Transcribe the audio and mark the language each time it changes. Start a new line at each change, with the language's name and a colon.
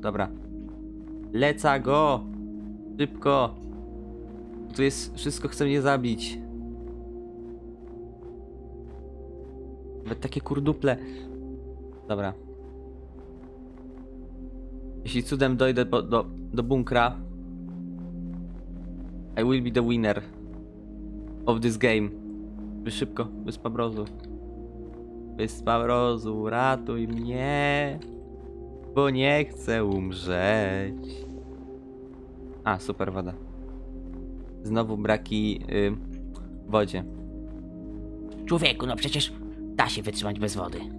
Polish: Dobra. Leca go! Szybko! Tu jest... Wszystko chce mnie zabić. Nawet takie kurduple. Dobra. Jeśli cudem dojdę do bunkra...
English: I will be the winner of this game.
Polish: Szybko, wyspa mrozu. Wyspa mrozu, ratuj mnie, bo nie chcę umrzeć. A, super woda. Znowu braki wodzie. Człowieku, no przecież da się wytrzymać bez wody.